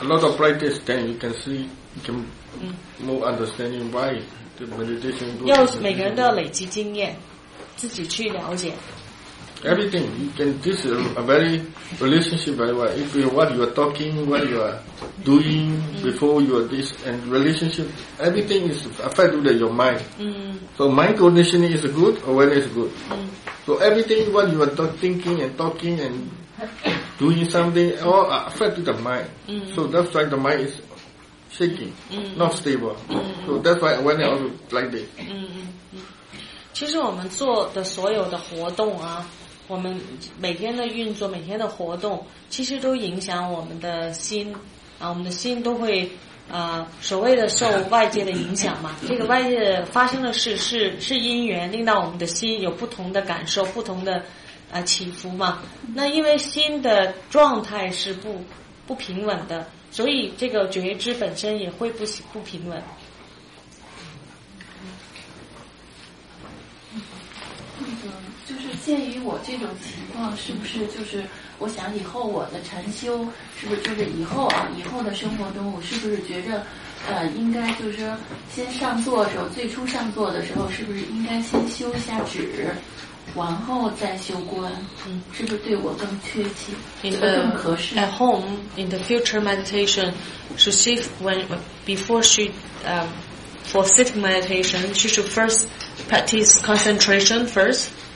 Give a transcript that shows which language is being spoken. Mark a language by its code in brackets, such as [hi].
[en] A lot of practice, then you can see, you can more understanding why the meditation. [zh] 要每个人都要累积经验，自己去了解。 [en] Everything, you can, this is a very relationship very well. If you, what you are talking, what you are doing before you are this, and relationship, everything is affected by your mind. So mind conditioning is good, awareness is good. So everything, what you are thinking and talking and doing something, all are affected by the mind. So that's why the mind is shaking, not stable. So that's why awareness also like this. [zh] 其实我们做的所有的活动啊，我们每天的运作，每天的活动，其实都影响我们的心啊，我们的心都会所谓的受外界的影响嘛。这个外界发生的事是因缘，令到我们的心有不同的感受，不同的起伏嘛。那因为心的状态是不平稳的，所以这个觉知本身也会不平稳。就是鉴于我这种情况，是不是就是我想以后我的禅修是不是就是以后啊，以后的生活中我是不是觉着应该就是先上座的时候，最初上座的时候是不是应该先修一下止，然后再修观，是不是对我更确切，更合适。 [en] At home in the future meditation, she sit when before she for sitting meditation, she should first practice concentration first.